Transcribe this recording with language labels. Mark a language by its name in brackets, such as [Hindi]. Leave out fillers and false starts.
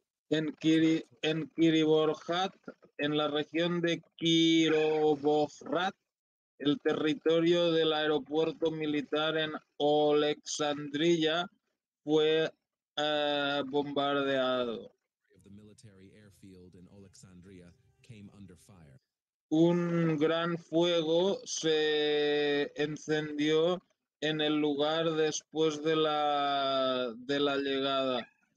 [Spanish] En la región de Kirovohrad, el territorio del aeropuerto militar en Oleksandriya fue bombardeado. [English] The military airfield in Oleksandriya came under fire. [Spanish] Un gran fuego se encendió en el lugar después de la llegada.